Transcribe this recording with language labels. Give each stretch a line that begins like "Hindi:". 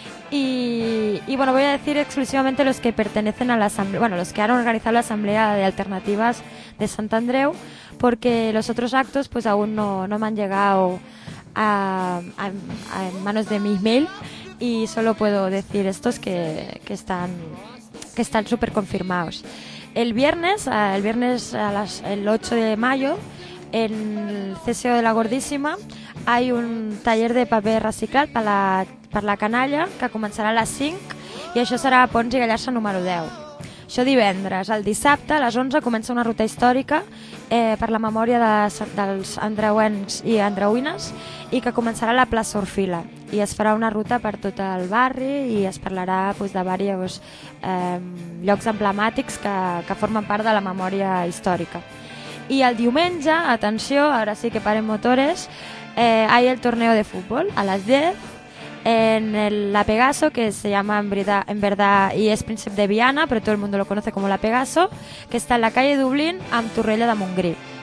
Spanish: Y bueno, voy a decir exclusivamente los que pertenecen a la asamblea, bueno, los que han organizado la asamblea de alternativas de Sant Andreu, porque los otros actos pues aún no me han llegado a manos de mi email, y solo puedo decir estos que están súper confirmados. El viernes, el 8 de mayo, en el CSO de la Gordísima hay un taller
Catalan: de paper reciclat per la canalla, que començarà a les 5, i això serà a Pons i Gallarça número 10. Això divendres. El dissabte a les 11 comença una ruta històrica per la memòria dels andreuens i andreuines, i que començarà a la plaça Orfila, i es farà una ruta per tot el barri i es parlarà pues, de diversos llocs emblemàtics que formen part de la memòria històrica. I el diumenge, atenció, ara sí que parem motores, hi ha el torneo de futbol a les 10
Spanish: en la Pegaso, que se llama en verdad y es Príncep de Viana, pero todo el mundo lo conoce como la Pegaso, que está en la calle Dublín,
Catalan: amb Torrella de Montgrí.